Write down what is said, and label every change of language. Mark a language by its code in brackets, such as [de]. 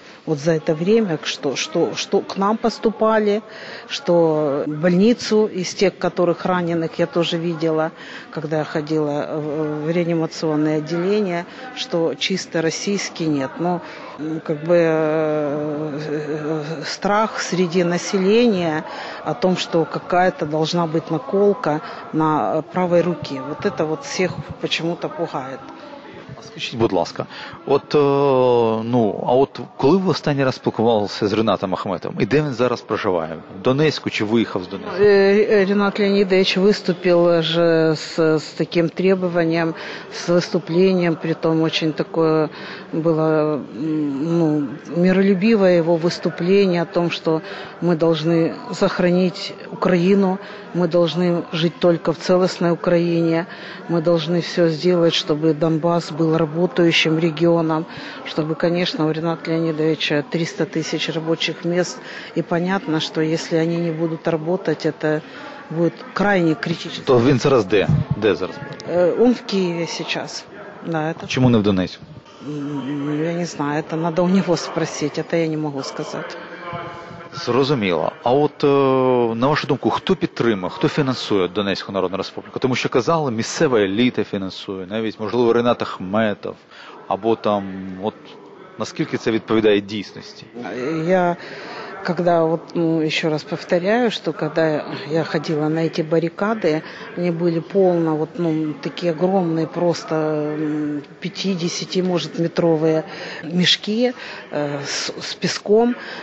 [ru] Вот за это время, что к нам поступали, что больницу из тех, которых раненых, я тоже видела, когда я ходила в реанимационное отделение, что чисто российский нет. Но как бы страх среди населения о том, что какая-то должна быть наколка на правой руке. Вот это вот всех почему-то пугает. [uk] Скажіть, будь ласка, от ну а от коли ви останній раз спілкувалися з Рінатом Ахметом, і де він зараз проживає? В Донецьку чи виїхав з Донецька? Рінат Леонідович виступив же з таким требуванням, з виступленням, при тому дуже таке було ну, миролюбиве його виступлення о том, що ми повинні зберегти Україну, ми повинні жити тільки в цілісній Україні, ми повинні все зробити, щоб Донбас був [ru] работающим регионом, чтобы, конечно, у Рената Леонидовича 300 тысяч рабочих мест, и понятно, что если они не будут работать, это будет крайне критично. [uk] То він зараз де? Де зараз? [ru] Он в Киеве сейчас. Да, это... [uk] Чому не в Донецьку? [ru] Я не знаю, это надо у него спросить, это я не могу сказать. [uk] Зрозуміло. А от, на вашу думку, хто підтримує, хто фінансує Донецьку Народну Республіку? Тому що казали, місцева еліта фінансує, навіть, можливо, Ренат Ахметов, або там, от, наскільки це відповідає дійсності? Я, коли, от, ну, ще раз повторяю, що коли я ходила на ці барикади, вони були повні, от, ну, такі огромні, просто 50, може, метрові мішки з піском.